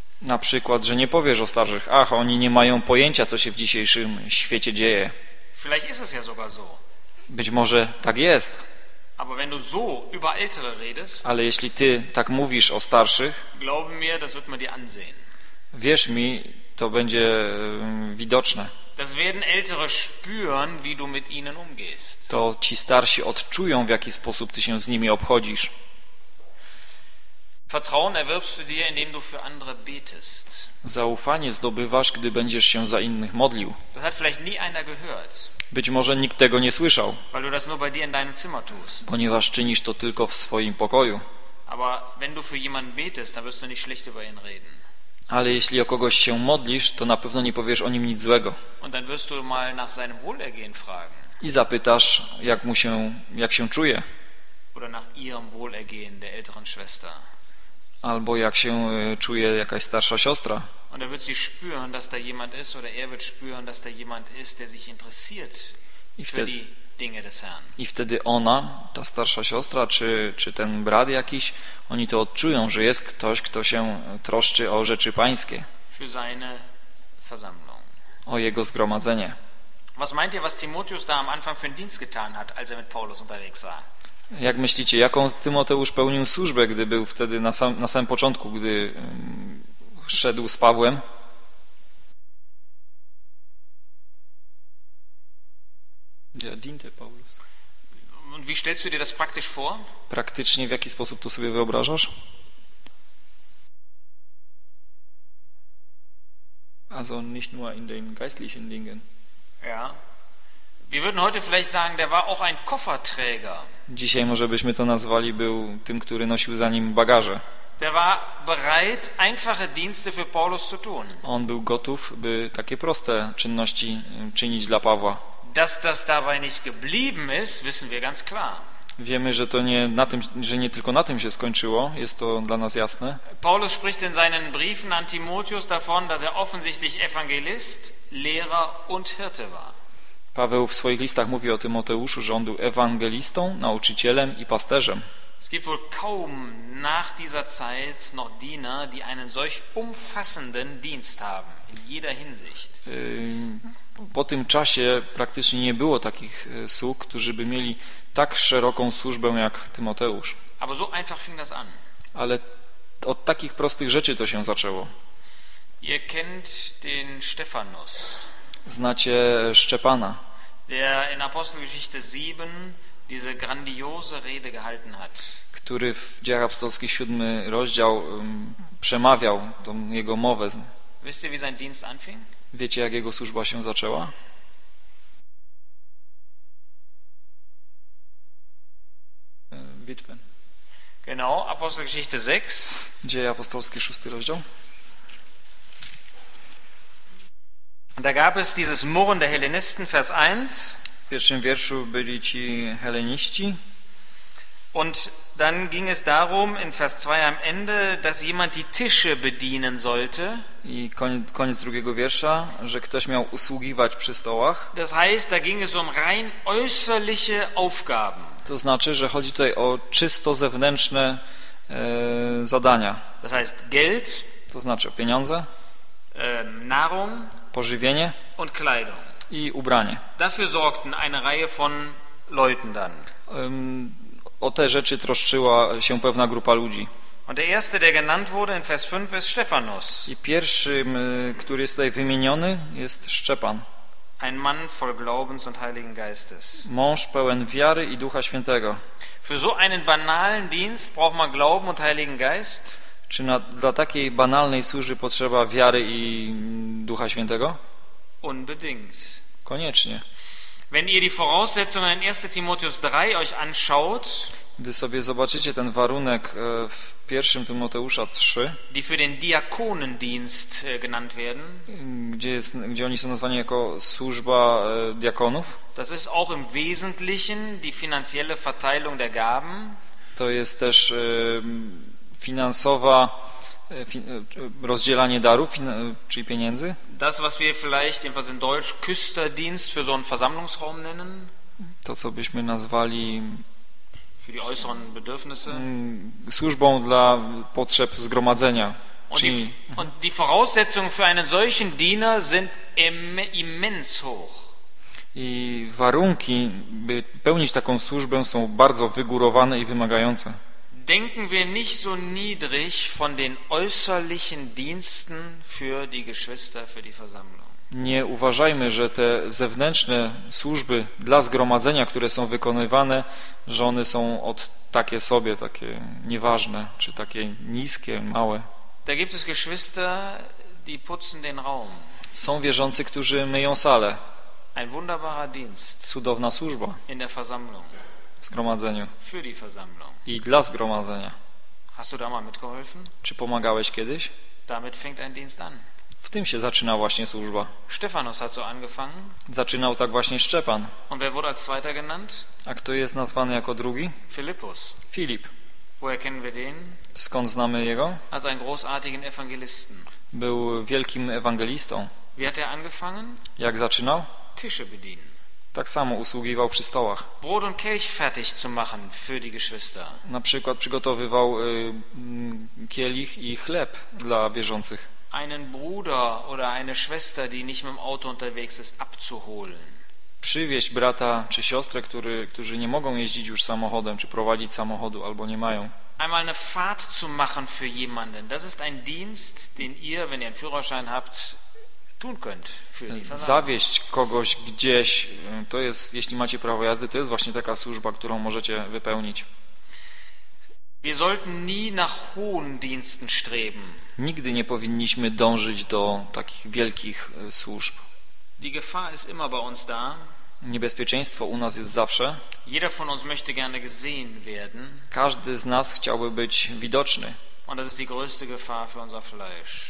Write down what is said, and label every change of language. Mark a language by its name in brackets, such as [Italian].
[Polish] Na przykład, że nie powiesz o starszych, ach, oni nie mają pojęcia, co się w dzisiejszym świecie dzieje. [German] Vielleicht ist es ja sogar so. [Polish] Być może tak jest. [German] Aber wenn du so über ältere redest, [Polish] ale jeśli ty tak mówisz o starszych, [German] glaub mir, das wird man dir ansehen. [Polish] Wierz mi, to będzie widoczne. [German] Das werden ältere spüren, wie du mit ihnen umgehst. [Polish] To ci starsi odczują, w jaki sposób ty się z nimi obchodzisz. [German] Vertrauen erwirbst du dir, indem du für andere betest. [Polish] Zaufanie zdobywasz, gdy będziesz się za innych modlił. [German] Das hat vielleicht nie einer gehört. [Polish] Być może nikt tego nie słyszał. [German] Weil du das nur bei dir in deinem Zimmer tust. [Polish] Ponieważ czynisz to tylko w swoim pokoju. [German] Aber wenn du für jemanden betest, dann wirst du nicht schlecht über ihn reden. [Polish] Ale jeśli o kogoś się modlisz, to na pewno nie powiesz o nim nic złego. [German] Und dann wirst du mal nach seinem Wohlergehen fragen. [Polish] I zapytasz, jak się czuje. [German] Oder nach ihrem Wohlergehen der älteren Schwester. [Polish] Albo jak się czuje jakaś starsza siostra. [German] Und er wird sie spüren, dass da jemand ist, oder er wird spüren, dass da jemand ist, der sich interessiert für die Dinge des Herrn. [Polish] I wtedy ona, ta starsza siostra, czy ten brat jakiś, oni to odczują, że jest ktoś, kto się troszczy o rzeczy pańskie. [German] Für seine Versammlung. [Polish] O jego zgromadzenie. [German] Was meint ihr, was Timotheus da am Anfang für einen Dienst getan hat, als er mit Paulus unterwegs war? [Polish] Jak myślicie, jaką Tymoteusz pełnił służbę, gdy był wtedy na samym początku, gdy szedł z Pawłem? [German] Ja, diente Paulus. Und wie stellst du dir das praktisch vor? [Polish] Praktycznie w jaki sposób to sobie wyobrażasz? [German] Also nicht nur in den geistlichen Dingen. Ja. Wir würden heute vielleicht sagen, der war auch ein Kofferträger. [Polish] Dzisiaj może byśmy to nazwali, był tym, który nosił za nim bagaże. [German] Der war bereit, einfache Dienste für Paulus zu tun. [Polish] On był gotów, by takie proste czynności czynić dla Pawła. [German] Dass das dabei nicht geblieben ist, wissen wir ganz klar. [Polish] Wiemy, że to nie na tym, że nie tylko na tym się skończyło, jest to dla nas jasne. [German] Paulus spricht in seinen Briefen an Timotheus davon, dass er offensichtlich Evangelist, Lehrer und Hirte war. [Polish] Paweł w swoich listach mówi o Tymoteuszu, że on był ewangelistą, nauczycielem i pasterzem. [German] Es gibt wohl kaum nach dieser Zeit noch Diener, die einen solch umfassenden Dienst haben in jeder Hinsicht. [Polish] Po tym czasie praktycznie nie było takich sług, którzy by mieli tak szeroką służbę jak Tymoteusz. [German] Aber so einfach fing das an. [Polish] Ale od takich prostych rzeczy to się zaczęło. [German] Ihr kennt den Stephanus. [Polish] Znacie Szczepana. [German] Der in Apostelgeschichte 7 diese grandiose Rede gehalten hat. [Polish] Który w Dziejach Apostolskich 7 rozdział przemawiał tą jego mowę. [German] Wisst ihr, wie sein Dienst anfing? [Polish] Wiecie, jak jego służba się zaczęła? Bitwę. [German] Genau, Apostelgeschichte 6. [Polish] Dzieje Apostolskie, 6 rozdział. [German] Da gab es dieses Murren der Hellenisten, Vers 1. [Polish] W pierwszym wierszu byli ci Helleniści. [German] Und dann ging es darum in Vers 2 am Ende, dass jemand die Tische bedienen sollte. [Polish] I koniec drugiego wiersza, że ktoś miał usługiwać przy stołach. [German] Das heißt, da ging es um rein äußerliche Aufgaben. [Polish] To znaczy, że chodzi tutaj o czysto zewnętrzne zadania. [German] Das heißt Geld. [Polish] To znaczy o pieniądze. [German] Nahrung. [Polish] Pożywienie. [German] Und Kleidung. [Polish] I ubranie. [German] Dafür sorgten eine Reihe von Leuten dann. [Polish] O te rzeczy troszczyła się pewna grupa ludzi. [German] Und der erste, der genannt wurde in Vers 5, ist Stephanus. [Polish] I pierwszym, który jest tutaj wymieniony, jest Szczepan. [German] Ein Mann voll Glaubens und Heiligen Geistes. [Polish] Mąż pełen wiary i Ducha Świętego. [German] Für so einen banalen Dienst braucht man Glauben und Heiligen Geist? [Polish] Czy na, dla takiej banalnej służby potrzeba wiary i Ducha Świętego? [German] Unbedingt. [Polish] Koniecznie. [German] Wenn ihr die Voraussetzungen in 1. Timotheus 3 euch anschaut, [Polish] gdy sobie zobaczycie ten warunek w 1. Tymoteusza 3, [German] die für den Diakonendienst genannt werden, [Polish] gdzie oni są nazwani jako służba diakonów, [German] das ist auch im Wesentlichen die finanzielle Verteilung der Gaben, [Polish] to jest też finansowa rozdzielanie darów, czyli pieniędzy. [German] Das, was wir vielleicht jedenfalls in Deutsch Küsterdienst für so einen Versammlungsraum nennen. [Polish] To, co byśmy nazwali [German] für die äußeren Bedürfnisse. [Polish] Służbą dla potrzeb zgromadzenia. [German] Und die Voraussetzungen für einen solchen Diener sind immens hoch. [Polish] I warunki, by pełnić taką służbę, są bardzo wygórowane i wymagające. [German] Denken wir nicht so niedrig von den äußerlichen Diensten für die Geschwister, für die Versammlung. [Polish] Nie uważajmy, że te zewnętrzne służby dla zgromadzenia, które są wykonywane, że one są od takie sobie, takie nieważne, czy takie niskie, małe. [German] Da gibt es Geschwister, die putzen den Raum. [Polish] Są wierzący, którzy myją salę. [German] Ein wunderbarer Dienst. [Polish] Cudowna służba. [German] In der Versammlung. [Polish] W zgromadzeniu. [German] Für die Versammlung. [Polish] I dla zgromadzenia. [German] Hast du da mal mitgeholfen? [Polish] Czy pomagałeś kiedyś? [German] Damit fängt ein Dienst an. [Polish] W tym się zaczyna właśnie służba. [German] Stephanus hat so angefangen. [Polish] Zaczynał tak właśnie Szczepan. [German] Und wer wurde als zweiter genannt? [Polish] A kto jest nazwany jako drugi? [German] Philippus. [Polish] Filip. [German] Woher kennen wir den? [Polish] Skąd znamy jego? [German] Als einen großartigen Evangelisten. [Polish] Był wielkim ewangelistą. [German] Wie hat er angefangen? [Polish] Jak zaczynał? [German] Tische bedienen. [Polish] Tak samo usługiwał przy stołach. [German] Brot und Kelch fertig zu machen für die Geschwister. [Polish] Na przykład przygotowywał kielich i chleb dla wierzących. [German] Einen Bruder oder eine Schwester, die nicht mit dem Auto unterwegs ist, abzuholen. [Polish] Przywieźć brata czy siostrę, którzy nie mogą jeździć już samochodem, czy prowadzić samochodu, albo nie mają. [German] Einmal eine Fahrt zu machen für jemanden. Das ist ein Dienst, den ihr, wenn ihr einen Führerschein habt, tun könnt für die Versammlung. [Polish] Zawieźć kogoś gdzieś, to jest, jeśli macie prawo jazdy, to jest właśnie taka służba, którą możecie wypełnić. [German] Wir sollten nie nach hohen Diensten streben. [Polish] Nigdy nie powinniśmy dążyć do takich wielkich służb. [German] Die Gefahr ist immer bei uns da. [Polish] Niebezpieczeństwo u nas jest zawsze. [German] Jeder von uns möchte gerne gesehen werden. [Polish] Każdy z nas chciałby być widoczny. [German] Und das ist die größte Gefahr für unser Fleisch.